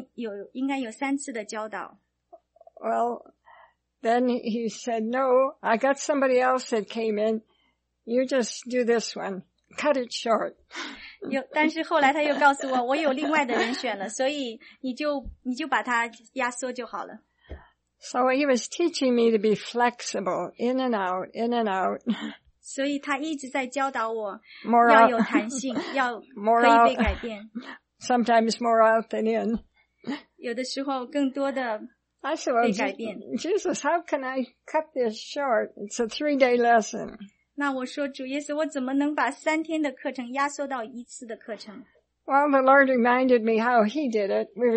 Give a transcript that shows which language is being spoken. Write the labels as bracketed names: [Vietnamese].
[Chinese] 在有一次的聚会中，他告诉我那一个礼拜我应该有三次的教导。Well, [English] then he said, no, I got somebody else that came in. You just do this one. Cut it short. [Chinese] 但是后来他又告诉我，我有另外的人选了，所以你就把它压缩就好了。 [English] So he was teaching me to be flexible, in and out, in and out. [Chinese] 所以他一直在教导我要有弹性，要可以被改变。Sometimes [English] more out than in. [Chinese] 有的时候更多的被改变。 [English] I said, well, Jesus, how can I cut this short? It's a three-day lesson. [Chinese] 那我说，主耶稣，我怎么能把三天的课程压缩到一次的课程？ [English] Well, the Lord reminded me how he did it.